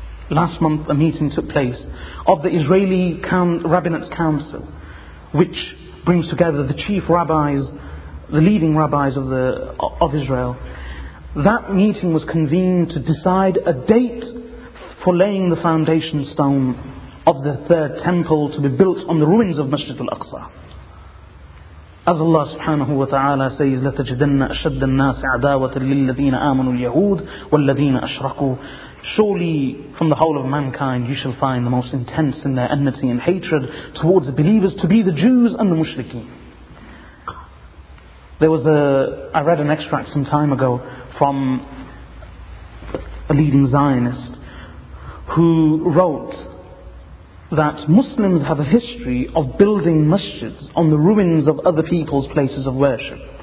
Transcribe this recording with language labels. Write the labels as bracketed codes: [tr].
[en] Last month a meeting took place of the Israeli Rabbinate Council, which brings together the chief rabbis, the leading rabbis of Israel, That meeting was convened to decide a date for laying the foundation stone of the third temple to be built on the ruins of Masjid al-Aqsa. As Allah subhanahu wa ta'ala says, [ar] لَتَجِدَنَّ أَشَدَّ النَّاسِ عَدَاوَةً لِلَّذِينَ آمَنُوا الْيَهُودِ وَالَّذِينَ أَشْرَقُوا. [en] Surely from the whole of mankind you shall find the most intense in their enmity and hatred towards the believers to be the Jews and the Mushrikeen. I read an extract some time ago from a leading Zionist who wrote that Muslims have a history of building masjids on the ruins of other people's places of worship.